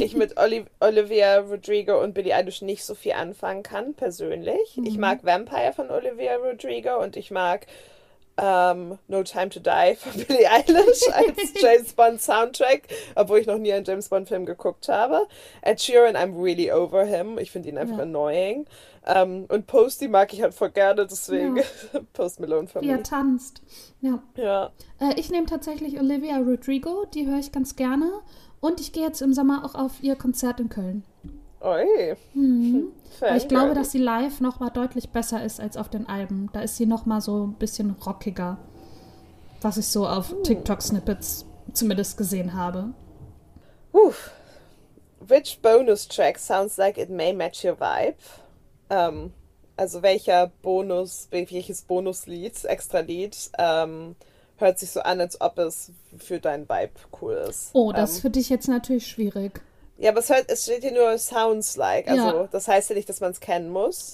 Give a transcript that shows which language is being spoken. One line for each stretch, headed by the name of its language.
German: ich mit Olivia Rodrigo und Billie Eilish nicht so viel anfangen kann, persönlich. Ich mag Vampire von Olivia Rodrigo und ich mag No Time to Die von Billie Eilish als James Bond Soundtrack, obwohl ich noch nie einen James Bond Film geguckt habe.
English: Ed Sheeran, I'm really over him.
German: Ich finde ihn einfach Ja.
English: annoying.
German: Und Posty mag ich halt voll gerne, deswegen Ja. Post Malone für Wie er mich. tanzt. Ja. Ja. Ich nehme tatsächlich Olivia Rodrigo, die höre ich ganz gerne. Und ich gehe jetzt im Sommer auch auf ihr Konzert in Köln. Oi. Weil ich glaube, dass sie live noch mal deutlich besser ist als auf den Alben. Da ist sie noch mal so ein bisschen rockiger, was ich so auf TikTok-Snippets zumindest gesehen habe.
English: Which bonus track sounds like it may match your vibe?
German: Also welches Bonuslied, extra Lied, hört sich so an, als ob es für dein Vibe cool ist? Oh, das ist für dich jetzt natürlich schwierig. Ja, aber es steht hier nur
English: sounds like.
German: Also, Ja. das heißt ja nicht, dass man es kennen muss.